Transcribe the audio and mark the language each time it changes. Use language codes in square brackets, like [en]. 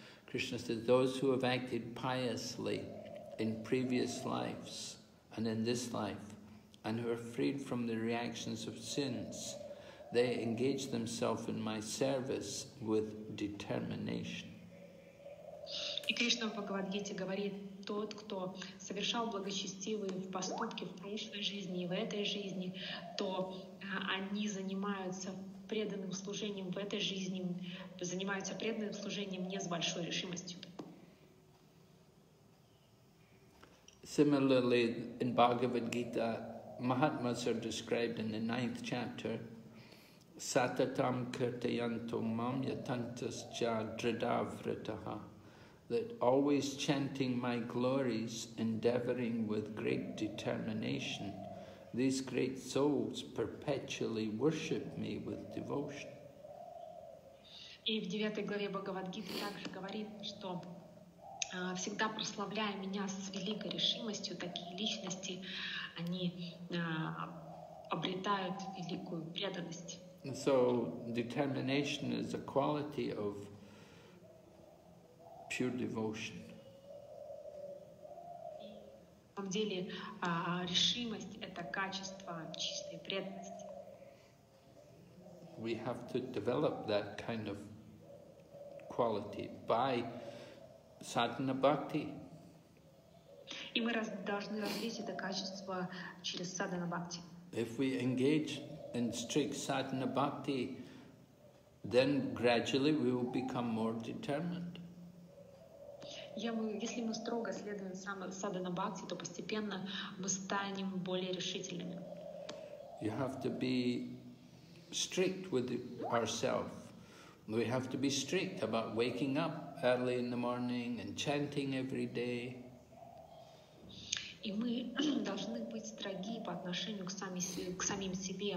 [en] Krishna says, those who have acted piously in previous lives and in this life, and who are freed from the reactions of sins, they engage themselves in my service with determination. [ru] И Кришна в Бхагавад-гите говорит, тот, кто совершал благочестивые поступки в прошлой жизни и в этой жизни, то они занимаются преданным служением в этой жизни, занимаются преданным служением не с большой решимостью. [en] Similarly, in Bhagavad Gita, Mahatmas are described in the 9th chapter, [sa] Satatam Kirtayanto Mam Yatantascha Dridavritaha, [en] that always chanting my glories, endeavoring with great determination, these great souls perpetually worship me with devotion. [ru] И в 9 главе Бхагавад-гиты также говорит, что всегда прославляя меня с великой решимостью, такие личности, они обретают великую преданность. [en] So, determination is a quality of pure devotion. [ru] На самом деле, решимость — это качество чистой преданности. [en] We have to develop that kind of quality by sadhana bhakti. [ru] И мы должны развить это качество через sadhana bhakti. [en] If we engage in strict sadhana bhakti, then gradually we will become more determined. [ru] Если мы строго следуем sadhana bhakti, то постепенно мы станем более решительными. [en] You have to be strict with ourselves. We have to be strict about waking up early in the morning and chanting every day. [ru] И мы должны быть строги по отношению к самим себе.